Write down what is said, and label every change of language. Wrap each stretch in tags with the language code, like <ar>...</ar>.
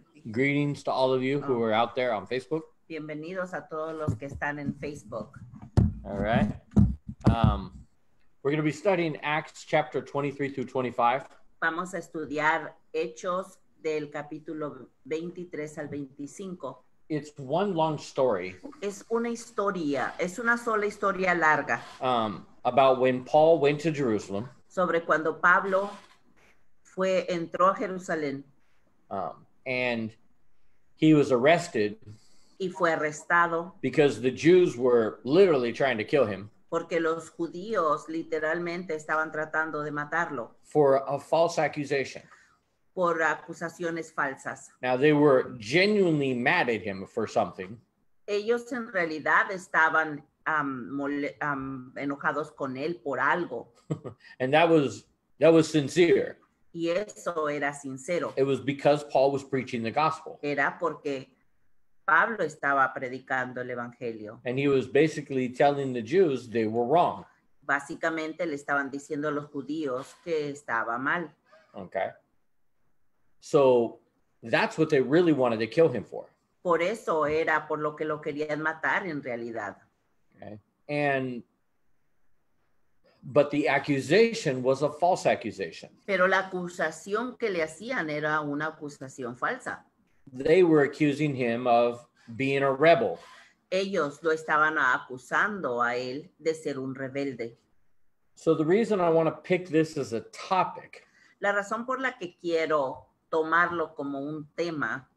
<en>Greetings to all of you who are out there on Facebook.</en> <es>Bienvenidos a todos los que están en Facebook.</es> <en>All right. We're going to be studying Acts chapter 23 through 25.</en> <es>Vamos a estudiar Hechos del capítulo 23 al 25.</es> <en>It's one long story.</en> <es>Es una historia, es una sola historia larga.</es> <en>About when Paul went to Jerusalem.</en> <es>Sobre cuando Pablo fue, entró a Jerusalén.</es> <en>And he was arrested.</en> <es>Y fue arrestado.</es> <en>Because the Jews were literally trying to kill him.</en> <es>Porque los judíos literalmente estaban tratando de matarlo.</es> <en>For a false accusation.</en> <es>Por acusaciones falsas.</es> <en>Now they were genuinely mad at him for something.</en> <es>Ellos en realidad estaban enojados con él por algo.</es> <en>And that was sincere.</en> <es>Y eso era sincero.</es> <en>It was because Paul was preaching the gospel.</en> <es>Era porque Pablo estaba predicando el evangelio.</es> <en>And he was basically telling the Jews they were wrong.</en> <es>Básicamente le estaban diciendo a los judíos que estaba mal.</es> <en>Okay. So that's what they really wanted to kill him for.</en> <es>Por eso era por lo que lo querían matar en realidad.</es> <en>Okay. And but the accusation was a false accusation.</en> <es>Pero la acusación que le hacían era una acusación falsa.</es> <en>They were accusing him of being a rebel.</en> <es>Ellos lo estaban acusando a él de ser un rebelde.</es> <en>So the reason I want to pick this as a topic.</en> <es>La razón por la que quiero tomarlo como un tema.</es>